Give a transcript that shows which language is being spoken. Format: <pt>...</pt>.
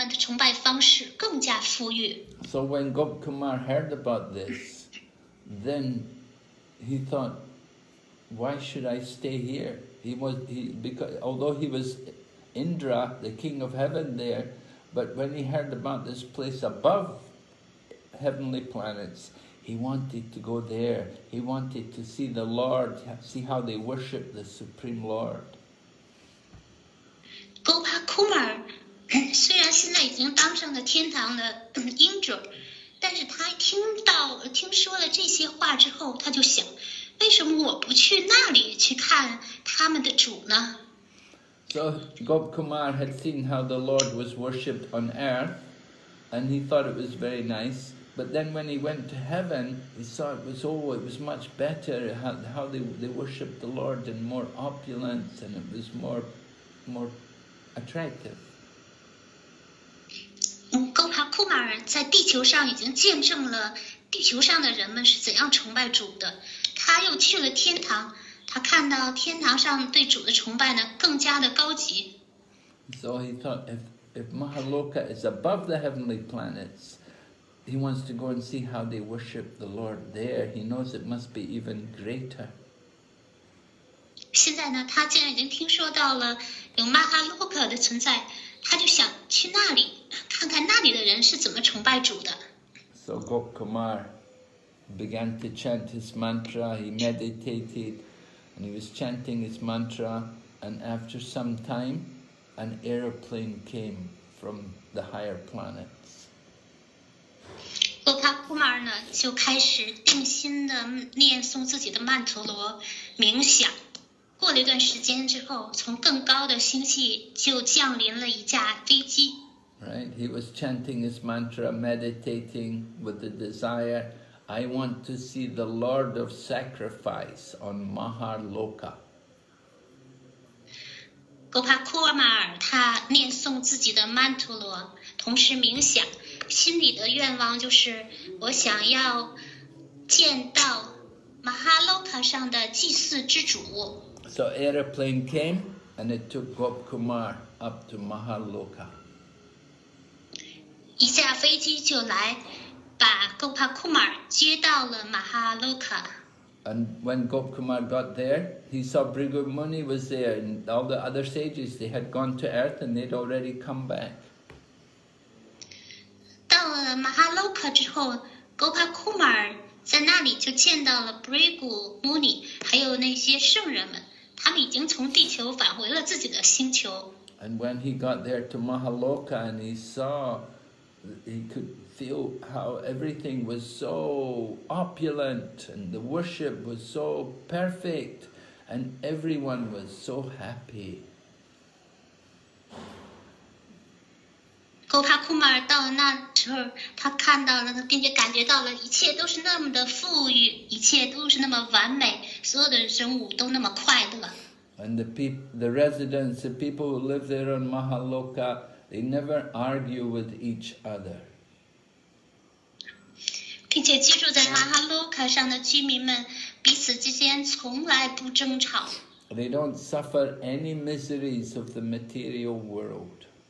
<zh>比起天堂的半神们的崇拜方式更加富裕。So</zh> <en>when Gop Kumar heard about this, then he thought, "Why should I stay here?" Although he was Indra, the king of heaven there, but when he heard about this place above heavenly planets, he wanted to go there. He wanted to see the Lord, see how they worship the Supreme Lord. Gopakumar</en> <zh>虽然现在已经当上了天堂的鹰主，但是他听说了这些话之后，他就想，为什么我不去那里去看他们的主呢？</zh> <en>So Gop Kumar had seen how the Lord was worshipped on earth, and he thought it was very nice. But then when he went to heaven, he saw it was much better how they worshipped the Lord in more opulence, and it was more attractive.</en> <zh>高帕库马尔在地球上已经见证了地球上的人们是怎样崇拜主的。他又去了天堂，他看到天堂上对主的崇拜呢更加的高级。</zh> <en>So he thought if Mahaloka is above the heavenly planets, he wants to go and see how they worship the Lord there. He knows it must be even greater.</en> <zh>现在呢，他竟然已经听说到了有玛哈洛克的存在，他就想去那里看看那里的人是怎么崇拜主的。</zh> <en>So Gop Kumar began to chant his mantra. He meditated, and he was chanting his mantra. And after some time, an aeroplane came from the higher planets.</en> <zh>Gop Kumar 呢就开始定心的念诵自己的曼陀罗冥想。过了一段时间之后，从更高的星系就降临了一架飞机。</zh> <en>Right, he was chanting his mantra, meditating with the desire, I want to see the Lord of Sacrifice on Mahaloka.</en> <zh>Gopakumar, 他念诵自己的曼陀罗，同时冥想，心里的愿望就是我想要见到 Mahaloka 上的祭祀之主。</zh> <en>So aeroplane came and it took Gop Kumar up to Mahaloka.</en> <zh>一架飞机就来把 Gop Kumar 接到了 Mahaloka.</zh> <en>And when Gop Kumar got there, he saw Bhrigu Muni was there and all the other sages. They had gone to earth and they'd already come back.</en> <zh>到了 Mahaloka 之后， Gop Kumar 在那里就见到了 Bhrigu Muni 还有那些圣人们。他们已经从地球返回了自己的星球。</zh> <en>And when he got there to Mahaloka and he saw, he could feel how everything was so opulent and the worship was so perfect and everyone was so happy.</en> <zh>Gopakumar 到了那时候，他看到了并且感觉到了一切都是那么的富裕，一切都是那么完美，所有的生物都那么快乐。</zh> <en>And the residents, the people who live there on Mahaloka, they never argue with each other.</en> <zh>并且居住在 Mahaloka 上的居民们彼此之间从来不争吵。</zh> <en>They don't suffer any miseries of the material world.</en>